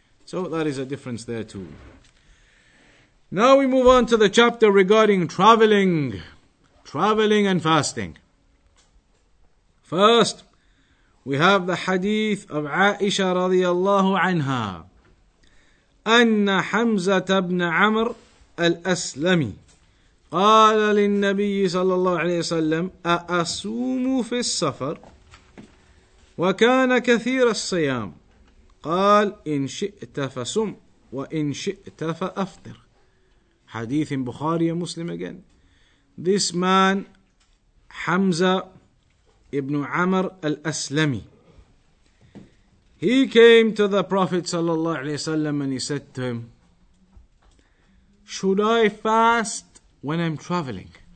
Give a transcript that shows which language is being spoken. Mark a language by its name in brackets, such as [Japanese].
[English] So that is a difference there too. Now we move on to the chapter regarding traveling. Traveling and fasting. First, we have the hadith of Aisha radiallahu anha. [Arabic] Anna Hamza ibn Amr al-Aslami. قال للنبي صلى الله عليه وسلم أأصوم في السفر وكان كثير الصيام قال إن شئت فصم وإن شئت فأفطر. حديث بخاري مسلم. [English] Again, this man Hamza ibn Amr al-Aslami, he came to the Prophet صلى الله عليه وسلم and he said to him, should I fast when I'm traveling?